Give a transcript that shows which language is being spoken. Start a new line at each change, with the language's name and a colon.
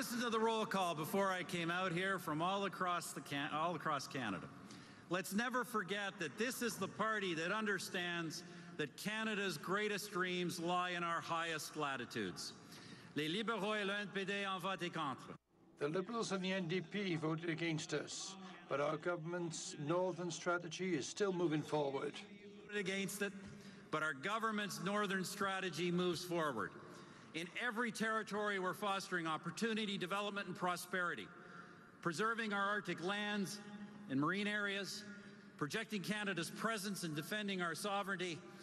English: The roll call before I came out here from all across Canada. Let's never forget that this is the party that understands that Canada's greatest dreams lie in our highest latitudes.
French: Les libéraux et le NPD ont voté contre.
English: The Liberals and the NDP voted against us, but our government's northern strategy is still moving forward. Voted against it, but our government's northern strategy moves forward. In every territory, we're fostering opportunity, development, and prosperity, preserving our Arctic lands and marine areas, projecting Canada's presence and defending our sovereignty.